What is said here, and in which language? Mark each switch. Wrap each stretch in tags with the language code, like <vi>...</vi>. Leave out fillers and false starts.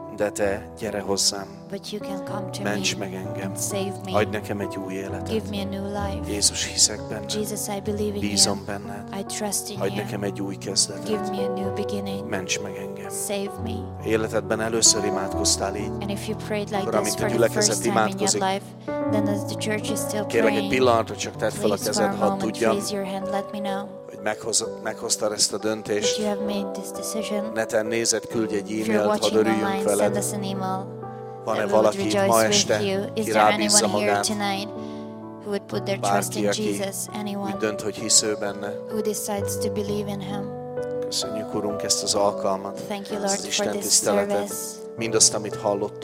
<hu>De te gyere hozzám.</hu> <en>But you can come to</en> <hu>ments</hu> <en>me.</en> <hu>Meg engem.</hu> <en>Save me.</en> <hu>Adj nekem egy új életet.</hu> <en>Give me a new life.</en> <hu>Jézus, hiszek benned.</hu> <en>Jesus, I believe in</en> <hu>Bízom benned.</hu> <en>I trust in</en> <hu>adj</hu> <en>you.</en> <hu>Nekem egy új kezdetet.</hu> <en>Give me a new beginning.</en> <hu>Ments meg engem.</hu> <en>Save me.</en> <hu>Életedben először imádkoztál így.</hu> <en>And if you prayed like this for the first time in your life, then as the church is still</en> <hu>kérlek</hu> <en>praying,</en> <hu>egy pillanatot csak tedd fel a kezed, hadd tudjam.</hu> <en>Please raise your hand, let me know.</en> <hu>Meghoztad ezt a döntést.</hu> <en>You have made this decision.</en> <hu>Neten nézed, küldj egy e-mailt, hadd örüljünk veled. Van-e valaki itt ma este, ki rábízza magát?</hu> <en>Who would put their trust in Jesus, anyone?</en> <hu>Dönt, hogy hisz ő benne.</hu> <en>Who decides to believe in him?</en> <hu>Köszönjük, Urunk, ezt az alkalmat.</hu> <en>Thank you, Lord, for this service.</en> <hu>Mindazt, amit hallottunk.</hu>